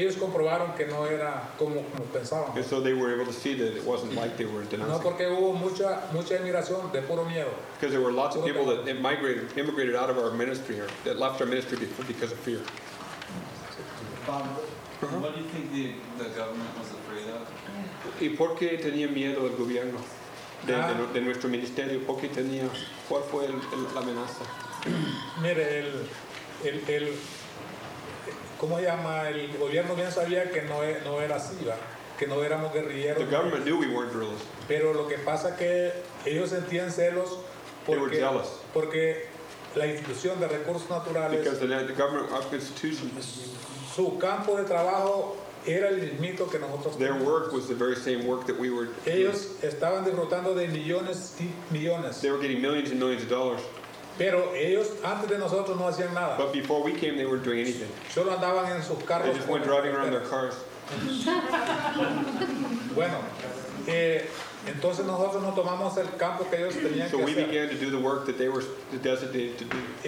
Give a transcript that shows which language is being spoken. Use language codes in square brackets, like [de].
[en] And so they were able to see that it wasn't like they were denouncing. Because there were lots of people that immigrated out of our ministry, or that left our ministry because of fear. What do you think the government was afraid of? [es] ¿Y por qué tenía miedo de nuestro ministerio? ¿Por qué tenía? ¿Cuál fue la amenaza? Mire, el gobierno bien sabía que no era así, ¿verdad? Que no éramos guerrilleros. [en] The government knew we weren't guerrillas. [es] Pero lo que pasa que ellos sentían celos porque la institución de recursos naturales. [en] Because the government of institutions. [es] Su campo de trabajo. Era el mismito que nosotros. [en] Their work was the very same work that we were. [es] Ellos estaban disfrutando de millones y millones. [en] They were getting millions and millions of dollars. [es] Pero ellos antes de nosotros no hacían nada. [en] But before we came, they weren't doing anything. [es] Solo andaban en sus carros. [en] They just went driving around their cars. [es] Bueno, entonces nosotros no tomamos el campo que ellos tenían que hacer. [en] So we began to do the work that they were designated to do.